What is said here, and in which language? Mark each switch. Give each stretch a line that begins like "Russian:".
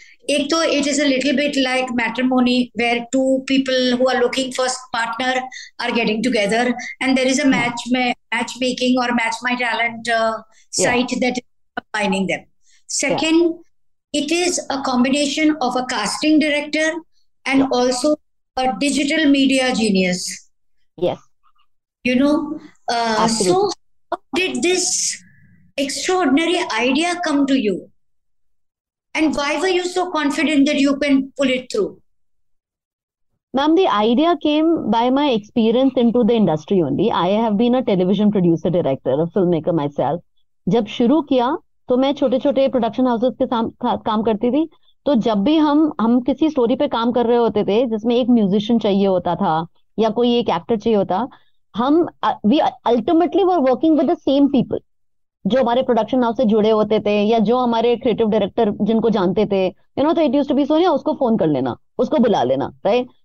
Hindi: एक तो
English: It is a little bit like matrimony where two people who are looking for partner are getting together and there is a match में match making और match my talent site that is combining them. Second, it is a combination of a casting director and also a digital media genius. Yes. You know, Absolutely. so how did this extraordinary idea come to you? And why were you so confident that you can pull it through? Ma'am, the idea came by my experience into the industry only. I have been a television producer, director, a filmmaker myself.
Hindi: जब शुरू किया तो मैं छोटे छोटे production houses के साथ काम करती थी, तो जब भी हम किसी स्टोरी पे काम कर रहे होते थे जिसमें एक म्यूजिशियन चाहिए होता था या कोई एक एक्टर चाहिए होता, हम
English: we ultimately were working with the same people
Hindi: जो हमारे प्रोडक्शन हाउस से जुड़े होते थे या जो हमारे क्रिएटिव डायरेक्टर जिनको जानते थे,
English: you know,
Hindi: तो
English: it used to be so,
Hindi: ना, उसको फोन कर लेना, उसको बुला लेना, राइट?